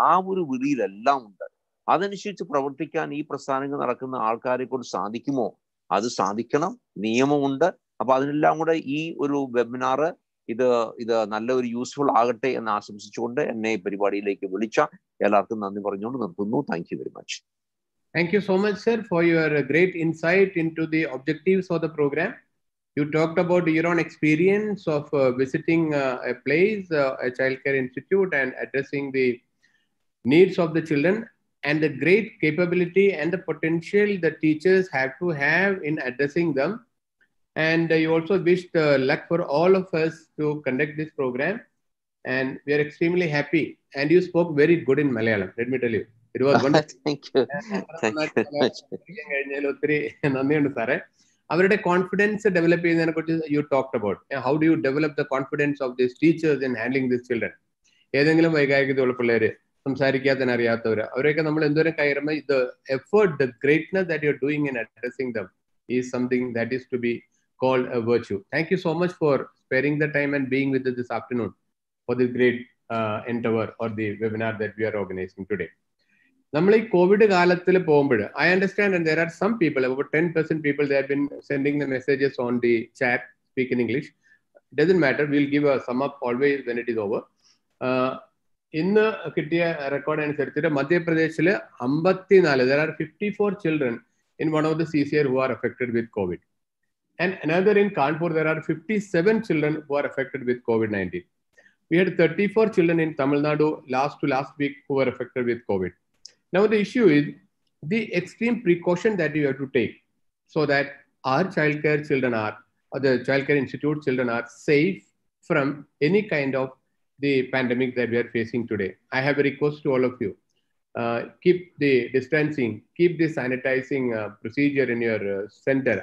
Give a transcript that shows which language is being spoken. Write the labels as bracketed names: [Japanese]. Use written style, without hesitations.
[Malayalam] ആ ഒരു വിളിയിലെല്ലാം ഉണ്ട്. അതനുസരിച്ച് പ്രവർത്തിക്കാൻ ഈ പ്രസ്ഥാനങ്ങൾ നടക്കുന്ന ആൾക്കാരെ കൊണ്ട് സാധിക്കുമോ? അത് സാധിക്കണം, നിയമമുണ്ട്. അപ്പൊ അതിനെല്ലാം കൂടെ ഈ ഒരു വെബിനാറ് ഇത് നല്ല ഒരു യൂസ്ഫുൾ ആകട്ടെ എന്ന് ആശംസിച്ചുകൊണ്ട് എന്നെ ഈ പരിപാടിയിലേക്ക് വിളിച്ച എല്ലാവർക്കും നന്ദി പറഞ്ഞുകൊണ്ട് നിർത്തുന്നു. [English] Thank you very much. Thank you so much, sir, for your great insight into the objectives of the program. You talked about your own experience of visiting a place, a childcare institute, and addressing the needs of the children, and the great capability and the potential the teachers have to have in addressing them. And you also wished luck for all of us to conduct this program, and we are extremely happy. And you spoke very good in Malayalam, let me tell you. It was wonderful. Thank you. Thank you. Our confidence developing, you talked about. How do you develop the confidence of these teachers in handling these children? [Malayalam] ഏതെങ്കിലും വൈകാരികതയുള്ള പിള്ളേര് സംസാരിക്കാത്ത അറിയാത്തവര് അവരെയൊക്കെ നമ്മൾ എന്തോരം കയറുമ്പോൾ [English] The effort the greatness that you are doing in addressing them is something that is to be called a virtue. Thank you so much for sparing the time and being with this afternoon for the great endeavour or the webinar that we are organising today. [Malayalam] നമ്മൾ ഈ Covid കാലത്തിൽ പോകുമ്പോൾ [English] I understand there are some people about 10% people they have been sending the messages on the chat speak in English. Doesn't matter, will give a sum up always when it is over. [Malayalam] ഇന്ന് കിട്ടിയ record അനുസരിച്ചിട്ട് മധ്യപ്രദേശിൽ [English] 54 children in one of the സിസിആർ who are affected with Covid. And another in Kanpur there are 57 children who are affected with COVID-19. We had 34 children in Tamil Nadu last week who are affected with Covid. Now the issue is the extreme precaution that you have to take so that our childcare children are, or the childcare institute children are, safe from any kind of the pandemic that we are facing today. I have a request to all of you. Keep the distancing, keep the sanitizing procedure in your center.